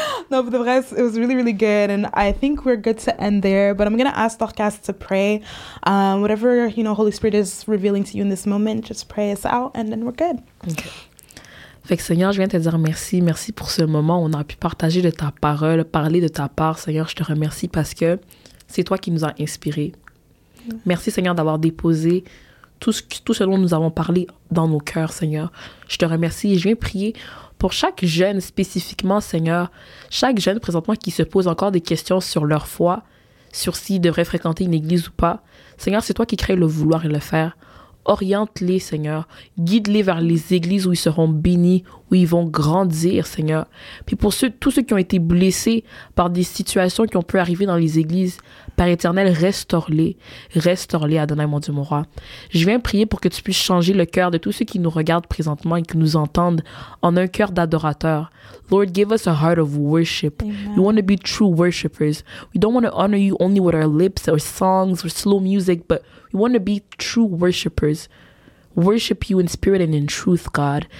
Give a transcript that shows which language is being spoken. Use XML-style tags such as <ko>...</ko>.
<en>No, but the rest, it was really, really good. And I think we're good to end there. But I'm going to ask Dorcas to pray. Whatever, you know, Holy Spirit is revealing to you in this moment, just pray us out and then we're good. Okay.</en> <fr>Fait que Seigneur, je viens te dire merci. Merci pour ce moment où on a pu partager de ta parole, parler de ta part. Seigneur, je te remercie parce que c'est toi qui nous a inspirés. Mm-hmm. Merci Seigneur d'avoir déposé tout ce dont nous avons parlé dans nos cœurs, Seigneur. Je te remercie et je viens prier pour chaque jeune spécifiquement, Seigneur, chaque jeune présentement qui se pose encore des questions sur leur foi, sur s'ils devraient fréquenter une église ou pas. Seigneur, c'est toi qui crée le vouloir et le faire. Oriente-les, Seigneur. Guide-les vers les églises où ils seront bénis, où ils vont grandir, Seigneur. Puis pour tous ceux qui ont été blessés par des situations qui ont pu arriver dans les églises, Père éternel, restaure-les. Restaure-les, Adonai, mon Dieu, mon roi. Je viens prier pour que tu puisses changer le cœur de tous ceux qui nous regardent présentement et qui nous entendent en un cœur d'adorateur.</fr> <en>Lord, give us a heart of worship. Amen. We want to be true worshipers. We don't want to honor you only with our lips or songs or slow music, but we want to be true worshipers. Worship you in spirit and in truth, God.</en>